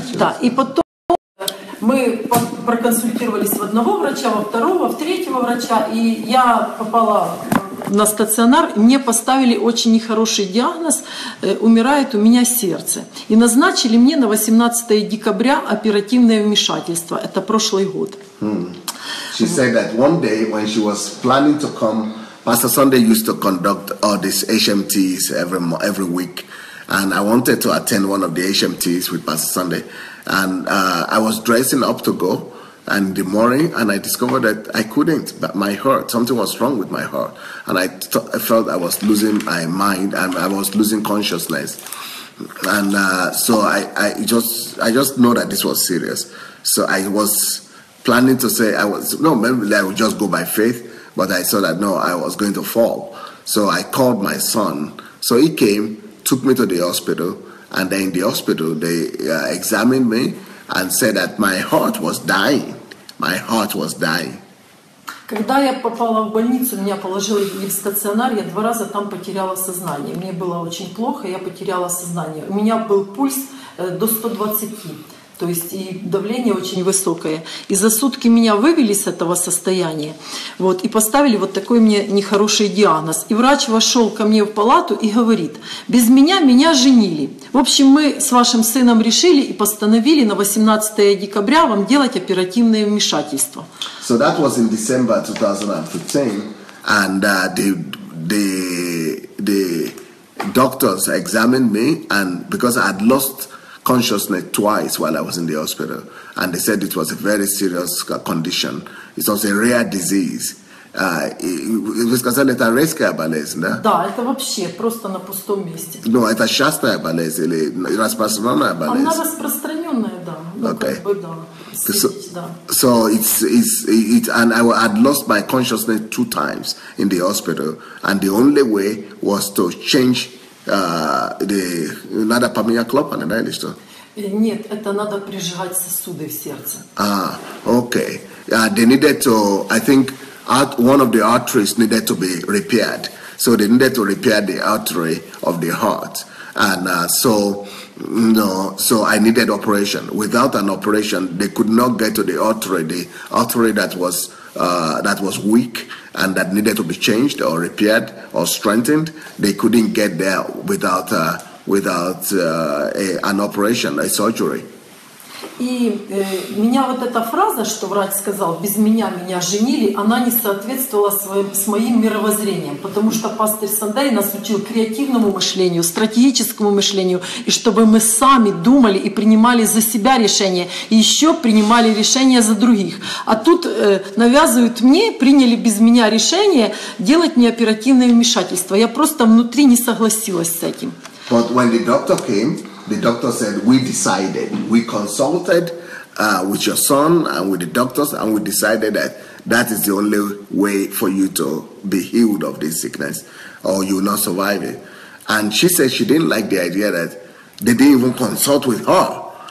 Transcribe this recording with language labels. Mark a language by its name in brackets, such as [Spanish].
[Russian] Да, и потом мы проконсультировались в одного врача, во второго, в третьего врача, и я попала на стационар, мне поставили очень нехороший диагноз, умирает у меня сердце. И назначили мне на 18 декабря оперативное вмешательство. Это прошлый год. [English] She said that one day when she was planning to come, Pastor Sunday used to conduct all these HMTs every week. And I wanted to attend one of the HMTs with Pastor Sunday. And I was dressing up to go. And the morning, and I discovered that I couldn't, but my heart, something was wrong with my heart. And I felt I was losing my mind, and I was losing consciousness. And so I just know that this was serious. So I was planning to say, maybe I would just go by faith, but I saw that, no, I was going to fall. So I called my son. So he came, took me to the hospital, and then in the hospital, they examined me, and said that my heart was dying. My heart was dying. [Russian] Когда я попала в больницу, меня положили в стационар, я два раза там потеряла сознание. Мне было очень плохо, я потеряла сознание. У меня был пульс до 120, то есть и давление очень высокое. И за сутки меня вывели с этого состояния, вот, и поставили вот такой мне нехороший диагноз. И врач вошел ко мне в палату и говорит: «Без меня меня женили». В общем, мы с вашим сыном решили и постановили на 18 декабря вам делать оперативное вмешательство. [English] So that was in December 2015, and the doctors examined me, and because I had lost consciousness twice while I was in the hospital, and they said it was a very serious condition. It was a rare disease. [Russian] Вы сказали, это резкая болезнь, да? Да, это вообще просто на пустом месте. Ну, это частая болезнь или распространенная болезнь? Она распространенная, да. [English] Okay. [Russian] Как бы, да. [English] So it's and I had lost my consciousness two times in the hospital, and the only way was to change [Russian] надо поменять клапан, да, или что? Нет, это надо прижигать сосуды в сердце. [English] Ah, okay. They needed to, I think, one of the arteries needed to be repaired. So they needed to repair the artery of the heart. And so No, so I needed operation. Without an operation, they could not get to the artery. The artery that was weak and that needed to be changed or repaired or strengthened, they couldn't get there without an operation, a surgery. [Russian] И меня вот эта фраза, что врач сказал, без меня меня женили, она не соответствовала с моим мировоззрением, потому что пастор Сандай нас учил креативному мышлению, стратегическому мышлению, и чтобы мы сами думали и принимали за себя решения, и еще принимали решения за других. А тут навязывают мне, приняли без меня решение делать мне оперативное вмешательство. Я просто внутри не согласилась с этим. [English] But when the doctor came, the doctor said, we decided, we consulted with your son and with the doctors, and we decided that that is the only way for you to be healed of this sickness, or you will not survive it. And she said she didn't like the idea that they didn't even consult with her.